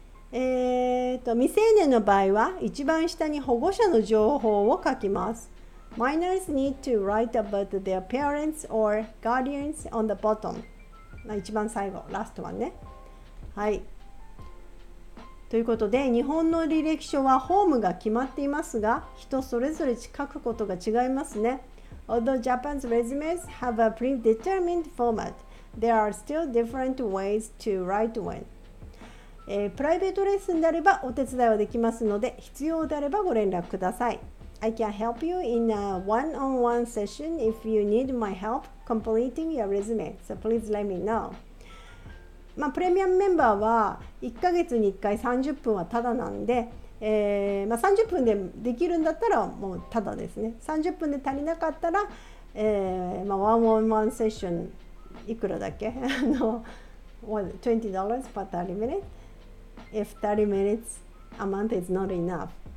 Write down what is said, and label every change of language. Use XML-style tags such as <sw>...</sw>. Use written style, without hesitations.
<ja>未成年の場合は一番下に保護者の情報を書きます。</ja> <en>Minors need to write about their parents or guardians on the bottom.</en> <ja>一番最後、ラストはね。はい。ということで、日本の履歴書はホームが決まっていますが、人それぞれ書くことが違いますね。</ja> <en>Although Japan's resumes have a predetermined format, there are still different ways to write one.</en> <ja>プライベートレッスンであればお手伝いはできますので、必要であればご連絡ください。</ja> <en>I can help you in a one-on-one session if you need my help completing your resume, so please let me know.</en> <ja>まあ、プレミアムメンバーは1ヶ月に1回30分はタダなんで、まあ、30分でできるんだったらもうタダですね。 30分で足りなかったら、まあ、1on1セッションいくらだっけ</ja> <en>What, $20 per 30 minutes? If 30 minutes a month is not enough.</en>